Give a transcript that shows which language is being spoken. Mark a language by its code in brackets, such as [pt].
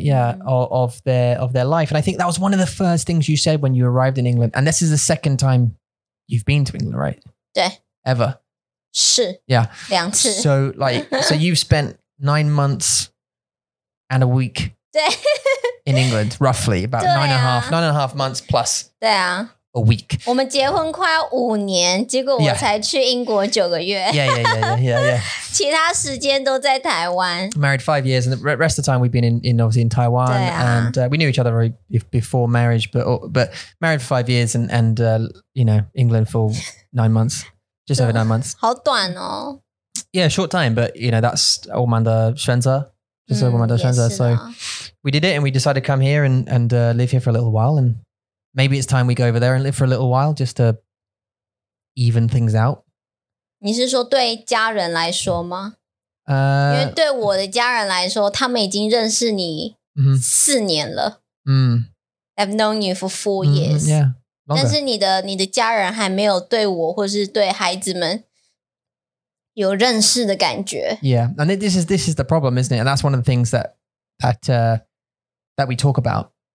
[en] Yeah, of their life. And I think that was one of the first things you said when you arrived in England, and this is the second time you've been to England, right? [zh] 对. [en] Ever. [zh] 是, [en] yeah. [zh] 两次. So like, so you've spent 9 months and a week in England, roughly about 9.5 months plus a week. 我们结婚快要五年，结果我才去英国九个月. Yeah. 其他时间都在台湾. [en] Married 5 years, and the rest of the time we've been in Taiwan, and we knew each other before marriage, but married for 5 years, and England for 9 months. Just over 9 months. [zh] 好短哦. [en] Yeah, short time, but you know, that's [zh] 我们的选择. [en] Just [zh] 我们的选择. [en] So we did it and we decided to come here and live here for a little while. And maybe it's time we go over there and live for a little while just to even things out. [zh] 你是说对家人来说吗? 因为对我的家人来说, 他们已经认识你四年了。 [en] I've known you for 4 years. Yeah. [zh] 但是你的家人还没有对我或是对孩子们 有认识的感觉. [en] Yeah, and this is the problem, isn't it? And that's one of the things that we talk about.